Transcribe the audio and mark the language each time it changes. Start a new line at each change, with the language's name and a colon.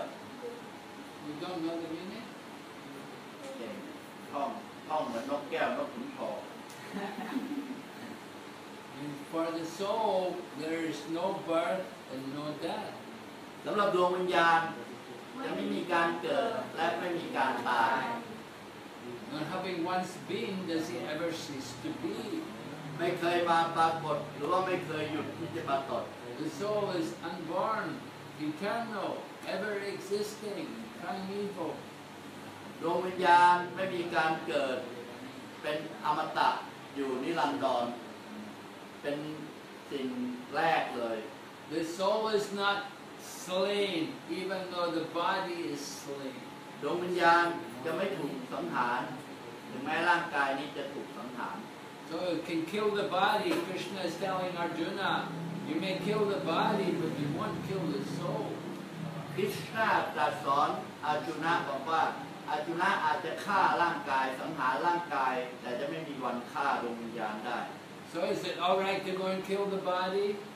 English: อ You don't know the meaning. Okay,
Thai: ท่องเหมือนนกแก้วนกขุนทอง
English: And for the soul, there is no birth and no death.
Thai: สำหรับดวงวิญญาณจะไม่มีการเกิดและไม่มีการตาย
English: Not having once been, does he ever cease to be?
Thai: ไม่เคยมาปรากฏหรือว่าไม่เคยหยุดที่จะปรากฏ
English: The soul is unborn, eternal, ever existing, primeval.
Thai: ดวงวิญญาณไม่มีการเกิดเป็นอมตะอยู่นิรันดรเป็นสิ่งแรกเลย
English: The soul is not slain even though the body is slain
Thai: ดวงวิญญาณจะไม่ถูกสังหารถึงแม้ร่างกายนี้จะถูกสังหาร
English: So it can kill the body Krishna is telling Arjuna you may kill the body but you won't kill the soul
Thai: Krishna ตรัสสอนอาร์จุนะบอกว่าอาร์จุนะอาจจะฆ่าร่างกายสังหารร่างกายแต่จะไม่มีวันฆ่าดวงวิญญาณได้
English: So is it all right to go and kill the body?